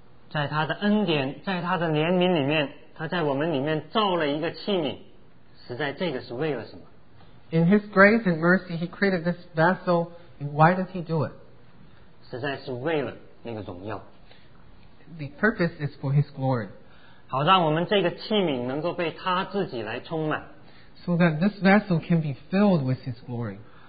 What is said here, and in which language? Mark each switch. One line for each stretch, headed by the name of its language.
Chinese: 在他的恩典，在他的怜悯里面，他在我们里面造了一个器皿。实在这个是为了什么?
English: In His grace and mercy, He created this vessel. Why does He do it?
Chinese: 实在是为了那个荣耀。
English: The purpose is for His glory.
Chinese: 好让我们这个器皿能够被他自己来充满。
English: So that this vessel can be filled with His glory.